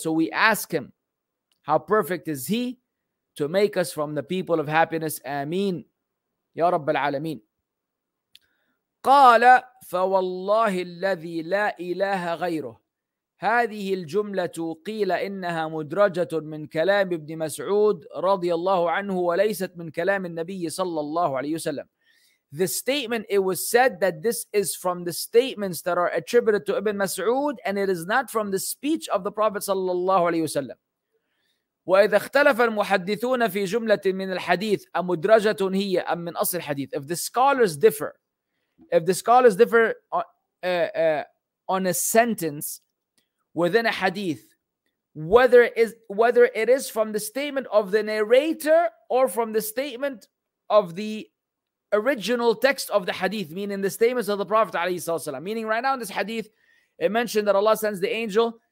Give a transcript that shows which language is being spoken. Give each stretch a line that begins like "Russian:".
English: So we ask him, how perfect is he to make us from the people of happiness.
Arabic: Ameen. Ya رب العالمين. قال فوالله الذي لا إله غيره هذه الجملة قيل إنها مدرجة من كلام ابن مسعود رضي الله عنه وليست من كلام النبي صلى الله عليه وسلم.
English: The statement, it was said that this is from the statements that are attributed to Ibn Mas'ud and it is not from the speech of the Prophet صلى الله عليه وسلم.
Arabic: وإذا اختلف المحدثون في جملة من الحديث أمدرجة هي أم من أصل الحديث.
English: If the scholars differ on a sentence within a hadith, whether it is from the statement of the narrator or from the statement of the original text of the hadith, meaning the statements of the Prophet ﷺ, meaning right now in this hadith, it mentioned that Allah sends the angel.